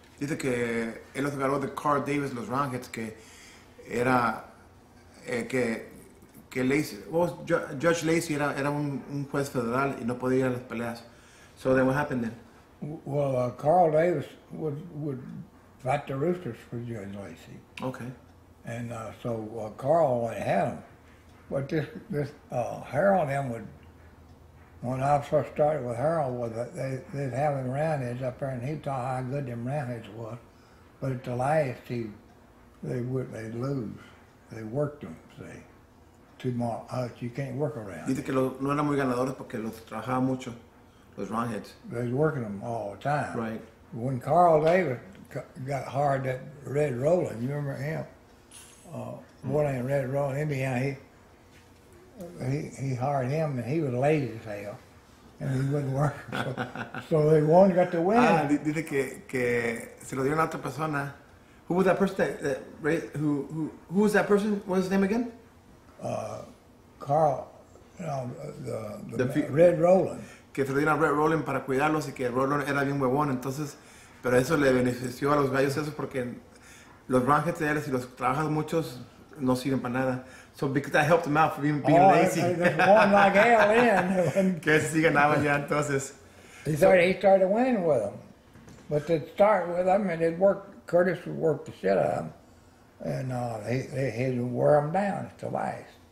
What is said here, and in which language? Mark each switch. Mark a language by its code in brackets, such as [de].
[es] Dice que él los agarró de Carl Davis los roundheads que era que Lacey, Judge Lacey era un juez federal y no podía ir a las peleas. [en] So then what happened then? Well, Carl Davis would fight the roosters for Judge Lacey. Okay. And so Carl went had him. But this Harold then would, when I first started with Harold, they'd have him roundheads up there and he'd tell how good them roundheads was. But at the last, they'd lose. They worked them, see. Too much. You can't work around. [es] Dice que no eran muy ganadores porque los trabajaba mucho, los roundheads. [en] They were working them all the time. Right. When Carl Davis got hired, that Red Roland, you remember him? Boy named Red Roland, Indiana, he hired him and he was lazy as hell. and he wouldn't work. So they won, got to win. [es] Ah, dice que se lo dieron a otra persona. [en] Who was that person who was that person? What was his name again? Carl, the Red Roland. [es] Que se lo dieron a Red Roland para cuidarlos y que Roland era bien huevón, entonces, pero eso le benefició a los gallos esos porque los ranchers de él, si los trabajas muchos, no sirven para nada. [en] So because that helped him out for being lazy. Oh, there's one like hell in. [es] Que se sí ganaban ya entonces. [en] He started winning with them. But to start with them, and it worked, Curtis would work the shit out of them, and he would wear them down to last.